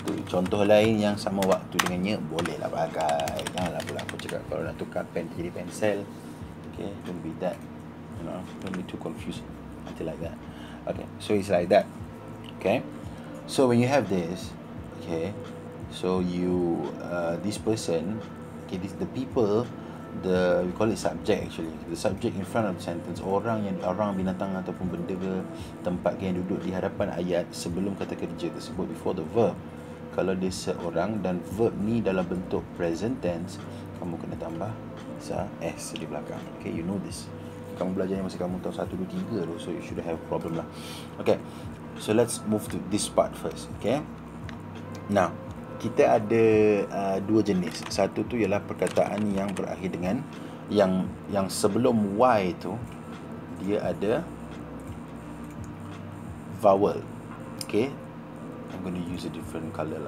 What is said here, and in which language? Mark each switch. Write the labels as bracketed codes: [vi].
[ms] Contoh lain yang sama waktu dengannya bolehlah pakai. Janganlah pula aku cakap kalau nak tukar pen jadi pensel. [en] Okay, don't be that, you know, don't be too confused until like that. Okay, so it's like that. Okay, so when you have this, okay, so you this person, okay, this the people, the we call it subject actually. The subject in front of the sentence, [ms] orang yang orang, binatang ataupun benda ke, tempat ke, yang duduk di hadapan ayat sebelum kata kerja tersebut, [en] before the verb. [ms] Kalau dia seorang dan verb ni dalam bentuk present tense, kamu kena tambah S di belakang. [en] Okay, you know this. [ms] Kamu belajar masa kamu tahun 1, 2, 3 tu, [en] so you should have problem [ms] lah. [en] Okay, so let's move to this part first. [ms] Okay, now kita ada dua jenis. Satu tu ialah perkataan yang berakhir dengan yang sebelum Y tu, dia ada vowel. [en] Okay, I'm going to use a different color.